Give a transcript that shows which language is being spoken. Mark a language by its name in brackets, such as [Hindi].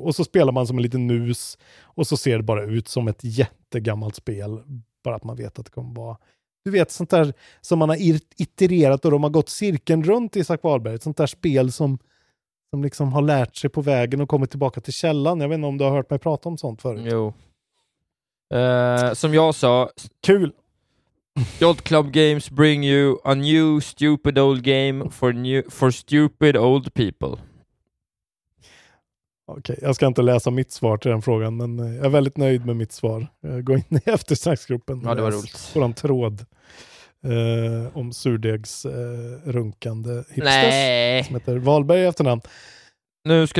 [Swedish] Och så spelar man som en liten mus och så ser det bara ut som ett jättegammalt spel. Bara att man vet att det kommer vara... Du vet, sånt där som man har itererat och de har gått cirkeln runt i Isak Wahlberg. Sånt där spel som... De liksom har lärt sig på vägen och kommit tillbaka till källan. Jag vet inte om du har hört mig prata om sånt förut. Jo. Som jag sa... Kul! [English] Yacht Club Games bring you a new stupid old game for stupid old people. [Swedish] Okej, okay, jag ska inte läsa mitt svar till den frågan, men jag är väldigt nöjd med mitt svar. Jag går in i eftersnacksgruppen. Ja, det var roligt. På den tråd om surdegs runkande hipsters. Nej. Som heter Wahlberg i efternamn. Nu ska